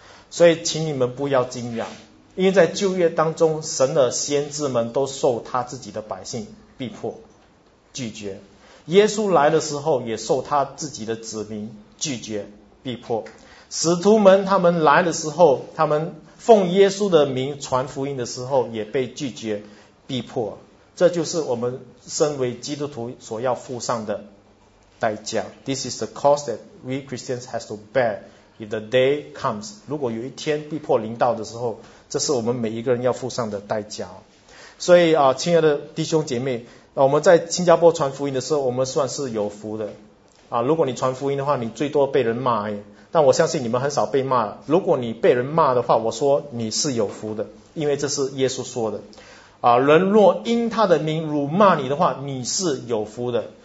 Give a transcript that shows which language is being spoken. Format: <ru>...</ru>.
<zh>所以请你们不要惊讶，因为在旧约当中，神的先知们都受他自己的百姓逼迫拒绝，耶稣来的时候也受他自己的子民拒绝逼迫，使徒们他们来的时候，他们奉耶稣的名传福音的时候也被拒绝逼迫。这就是我们身为基督徒所要付上的代价。</zh> <en>This is the cost that we Christians have to bear if the day comes.</en> <zh>如果有一天逼迫临到的时候，这是我们每一个人要付上的代价。所以亲爱的弟兄姐妹，我们在新加坡传福音的时候，我们算是有福的如果你传福音的话，你最多被人骂，但我相信你们很少被骂。如果你被人骂的话，我说你是有福的，因为这是耶稣说的人若因他的名辱骂你的话，你是有福的。</zh>